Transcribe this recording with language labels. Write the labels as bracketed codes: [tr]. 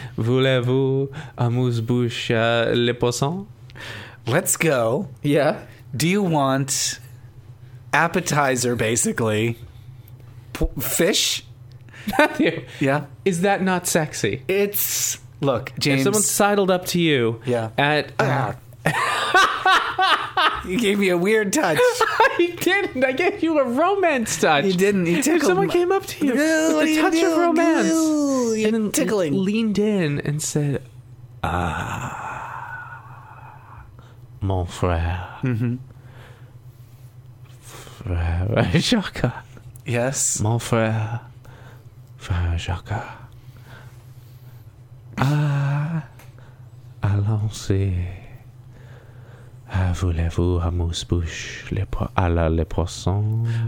[fr] Voulez-vous amuse-bouche à la poisson? [en] Let's go. Yeah. Do you want appetizer, basically? Fish? Matthew. Yeah? Is that not sexy? It's... Look, James... If someone sidled up to you at... You gave me a weird touch. I didn't. I gave you a romance touch. You didn't. You tickled. If someone came up to you with a touch of romance and then tickling, leaned in and said, "Ah, [fr] mon frère, frère Jacques, [en] yes, [fr] mon frère, frère Jacques, allons-y." voulez-vous amuse-bouche le po- à la le poisson?